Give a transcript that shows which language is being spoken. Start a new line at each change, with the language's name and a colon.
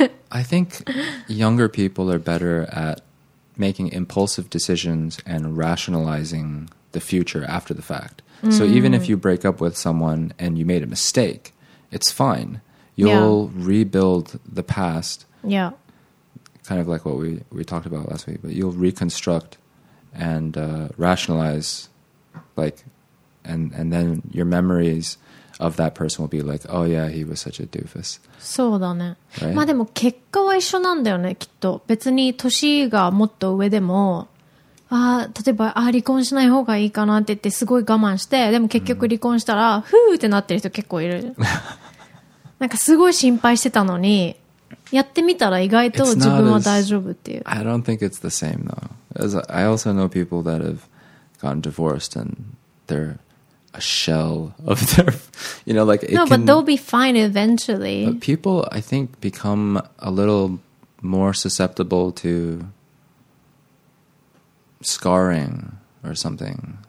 English: I think younger people are better at making impulsive decisions and rationalizing the future after the fact. So even if you break up with someone and you made a mistake, it's fine. You'll rebuild the past. Yeah. Kind of like what we talked about last week, but you'll reconstruct and rationalize, like, and then your memories of that person will be like, oh yeah, he was such a doofus.
Japanese: そうだね。
English: Right?
Japanese: まあでも結果は一緒なんだよね、きっと。別に年がもっと上でも、あ、例えば、あ、離婚しない方がいいかなって言ってすごい我慢して、でも結局離婚したら、mm-hmm. ふーってなってる人結構いる。なんかすごい心配してたのに、やってみたら意外と自分は大丈夫っていう。
English: I don't think it's the same though. As I also know people that have gotten divorced and they're a shell of their, you know, like it No, can, but they'll be fine eventually. But people, I think, become a little more susceptible to scarring or something.